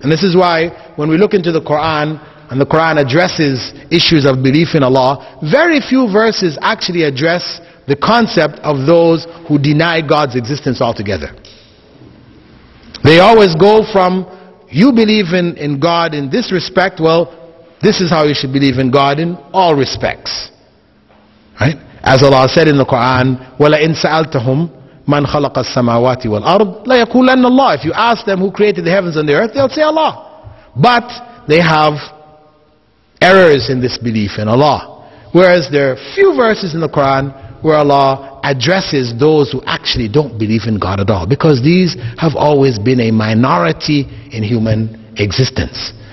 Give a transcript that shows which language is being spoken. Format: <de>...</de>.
<en>And this is why when we look into the Quran, and the Quran addresses issues of belief in Allah, very few verses actually address the concept of those who deny God's existence altogether. They always go from, you believe in God in this respect, well, this is how you should believe in God in all respects. Right? As Allah said in the Quran,</en> <ar>وَلَئِنْ سَأَلْتَهُمْ مَنْ خَلَقَ السَّمَاوَاتِ وَالْأَرْضِ لَيَقُولَنَّ اللَّهِ.</ar> <en>If you ask them who created the heavens and the earth, they'll say Allah. But they have errors in this belief in Allah. Whereas there are few verses in the Quran where Allah addresses those who actually don't believe in God at all. Because these have always been a minority in human existence.</en>